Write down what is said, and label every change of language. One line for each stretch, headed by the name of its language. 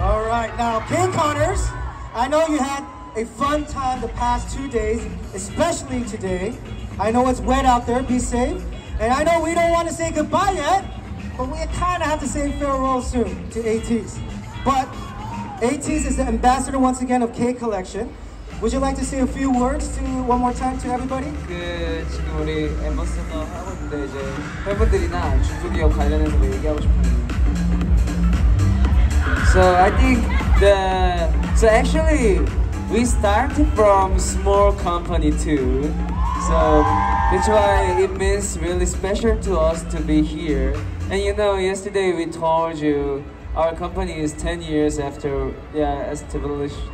English: All right, now, Kconners, I know you had a fun time the past 2 days, especially today. I know it's wet out there, be safe. And I know we don't want to say goodbye yet, but we kind of have to say farewell soon to ATs. But Ateez is the ambassador once again of Kcon Collection. Would you like to say a few words to one more time to everybody?
Korean: 그 지금 우리 앰버서더 하고 있는데 이제 팬분들이나 주주기업 관련해서 뭐 얘기하고 싶은데.
English: So I think actually we started from small company too. So that's why it means really special to us to be here. And you know, yesterday we told you our company is 10 years after established.